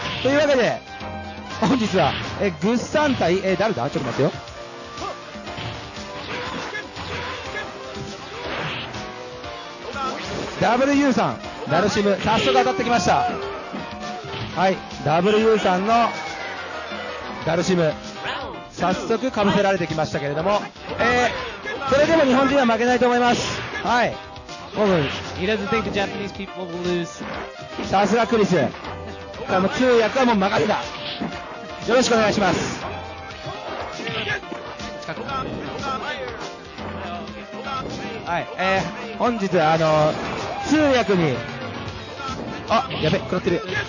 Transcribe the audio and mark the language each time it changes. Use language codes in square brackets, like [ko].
[ja] というわけで本日は、グッサン対、誰だ、ちょっと待ってよ、WU さん、ナルシム、早速当たってきました。はい、WU さんのナルシム、早速かぶせられてきましたけれども、それでも日本人は負けないと思います。はい、オブン。 [en] He doesn't think the Japanese people will lose. [ja] さすがクリス。もう通訳はもう任せた。よろしくお願いします。はい、本日は通訳に、あ、やべ、食らってる。